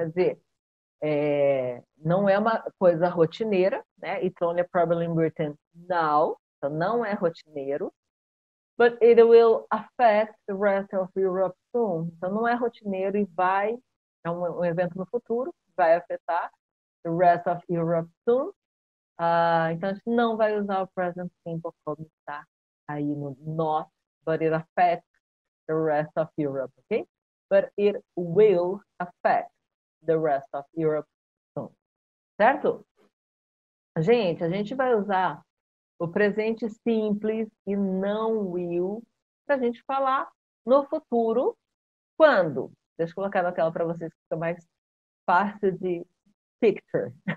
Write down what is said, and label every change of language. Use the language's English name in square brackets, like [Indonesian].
[Portuguese] Quer dizer, não é uma coisa rotineira, né? [English] It's only a problem in Britain now. [Portuguese] Então, não é rotineiro. [English] But it will affect the rest of Europe soon. [Portuguese] Então, não é rotineiro e vai. É um evento no futuro, vai afetar [English] the rest of Europe soon. [Portuguese] Então, a gente não vai usar o present simple como está aí no not, [English] but it affects the rest of Europe, [Portuguese] ok? [English] But it will affect the rest of Europe. [Portuguese] Certo? Gente, a gente vai usar o presente simples e não will para a gente falar no futuro. Quando? Deixa eu colocar na tela para vocês, que fica mais fácil de picture.